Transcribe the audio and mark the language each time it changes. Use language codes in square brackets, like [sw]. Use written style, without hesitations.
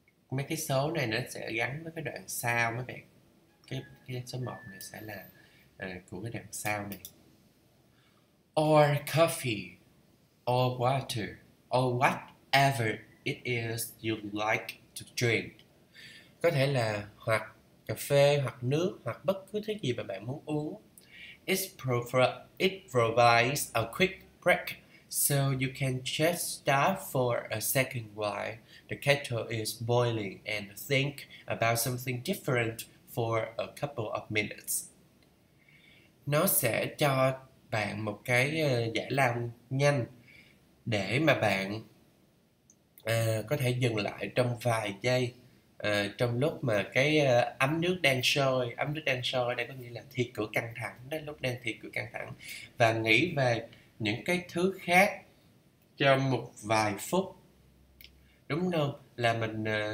[vi] Mấy cái số này nó sẽ gắn với cái đoạn sau mấy bạn. Cái số 1 này sẽ là của cái đoạn sau này. [en] Or coffee, or water, or whatever it is you like to drink. [vi] Có thể là hoặc cà phê, hoặc nước, hoặc bất cứ thứ gì mà bạn muốn uống. [en] It provides a quick break, so you can just stop for a second while the kettle is boiling and think about something different for a couple of minutes. [vi] Nó sẽ cho bạn một cái giải lao nhanh để mà bạn có thể dừng lại trong vài giây, trong lúc mà cái ấm nước đang sôi đây có nghĩa là thi cử căng thẳng, đó lúc đang thi cử căng thẳng, và nghĩ về những cái thứ khác trong một vài phút, đúng không, là mình